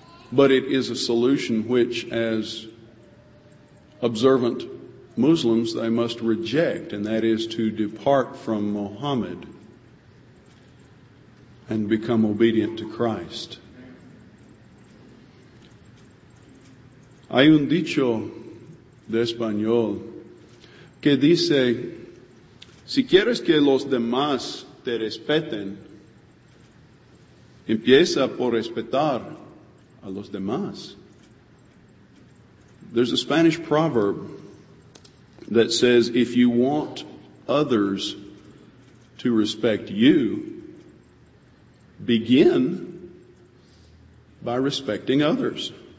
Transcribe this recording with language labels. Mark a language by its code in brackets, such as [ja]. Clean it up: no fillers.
[en] But it is a solution which, as observant Muslims, they must reject, and that is to depart from Muhammad and become obedient to Christ. [es] Hay un dicho de español que dice, si quieres que los demás te respeten, empieza por respetar a los demás. [en] There's a Spanish proverb that says, if you want others to respect you, begin by respecting others.